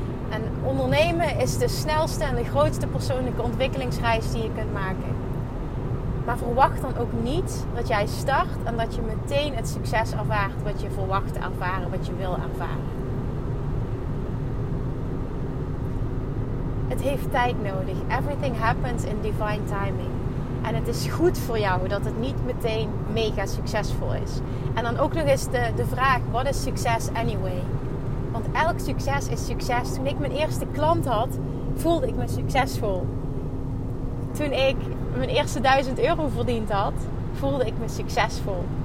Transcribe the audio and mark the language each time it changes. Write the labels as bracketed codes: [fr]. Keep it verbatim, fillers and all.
[nl] En ondernemen is de snelste en de grootste persoonlijke ontwikkelingsreis die je kunt maken. Maar verwacht dan ook niet dat jij start en dat je meteen het succes ervaart wat je verwacht te ervaren, wat je wil ervaren. Het heeft tijd nodig. [en] Everything happens in divine timing. [nl] En het is goed voor jou dat het niet meteen mega succesvol is. En dan ook nog eens de, de vraag, wat is succes anyway? Want elk succes is succes. Toen ik mijn eerste klant had, voelde ik me succesvol. Toen ik mijn eerste duizend euro verdiend had, voelde ik me succesvol.